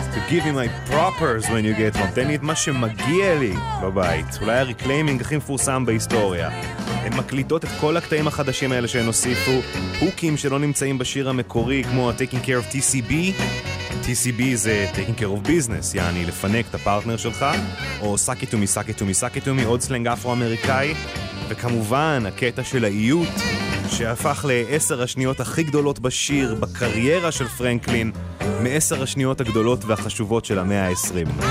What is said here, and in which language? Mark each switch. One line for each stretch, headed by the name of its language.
English: Give me my propers when you get home.
Hebrew: תן לי את מה שמגיע לי בבית. אולי הריקליימינג הכי מפורסם בהיסטוריה. הן מקליטות את כל הקטעים החדשים האלה שהן הוסיפו, הוקים שלא נמצאים בשיר המקורי, כמו
English: Taking Care of TCB.
Hebrew: TCB זה
English: Taking Care of Business,
Hebrew: יעני לפנק את הפרטנר שלך, או
English: Suck it to me,
Hebrew: Suck it to me, Suck it to me, עוד סלנג אפרו-אמריקאי. וכמובן, הקטע של האיות, שהפך ל-10 השניות הכי גדולות בשיר, בקריירה של פרנקלין, מ-10 השניות הגדולות והחשובות של המאה ה-20.